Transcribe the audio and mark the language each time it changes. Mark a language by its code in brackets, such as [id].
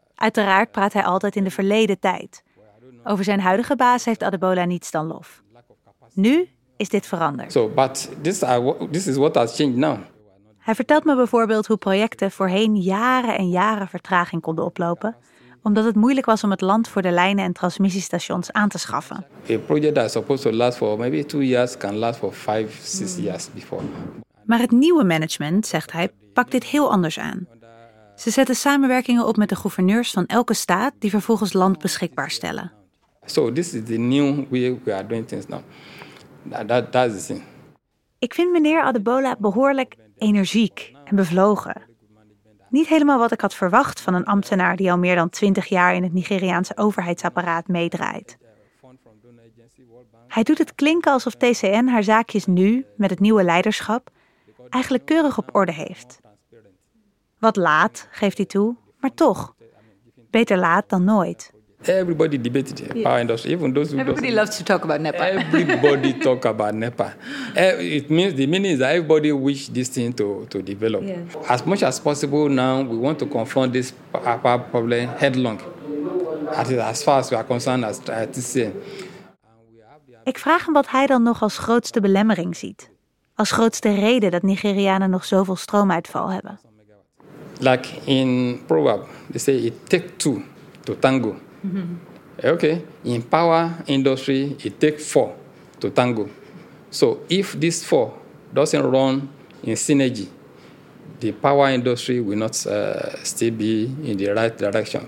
[nl] Uiteraard praat hij altijd in de verleden tijd. Over zijn huidige baas heeft Adebola niets dan lof. Nu is dit veranderd. [en] So, but this is what has changed now. [nl] Hij vertelt me bijvoorbeeld hoe projecten voorheen jaren en jaren vertraging konden oplopen, omdat het moeilijk was om het land voor de lijnen en transmissiestations aan te schaffen. [en] A project that's supposed to last for maybe 2 years can last for 5-6 years before. [nl] Maar het nieuwe management, zegt hij, pakt dit heel anders aan. Ze zetten samenwerkingen op met de gouverneurs van elke staat die vervolgens land beschikbaar stellen. [en] So this is the new way we are doing things now. That's the thing. [nl] Ik vind meneer Adebola behoorlijk energiek en bevlogen. Niet helemaal wat ik had verwacht van een ambtenaar die al meer dan 20 jaar in het Nigeriaanse overheidsapparaat meedraait. Hij doet het klinken alsof TCN haar zaakjes nu, met het nieuwe leiderschap, eigenlijk keurig op orde heeft. Wat laat, geeft hij toe, maar toch. beter laat dan nooit. [en] Everybody debated NEPA, yeah. And also, even those who everybody loves to talk about NEPA. Everybody talk about NEPA. It means the meaning is that everybody wish this thing to develop. Yeah. As much as possible now, we want to confront this power problem headlong. As far as we are concerned, as TCN. [nl] Ik vraag hem wat hij dan nog als grootste belemmering ziet. Als grootste reden dat Nigerianen nog zoveel stroomuitval hebben. [en] Like in proverb, they say it takes two to tango. Mm-hmm. Okay, in power industry, it takes four to tango. So if this four doesn't run in synergy, the power industry will not still be in the right direction.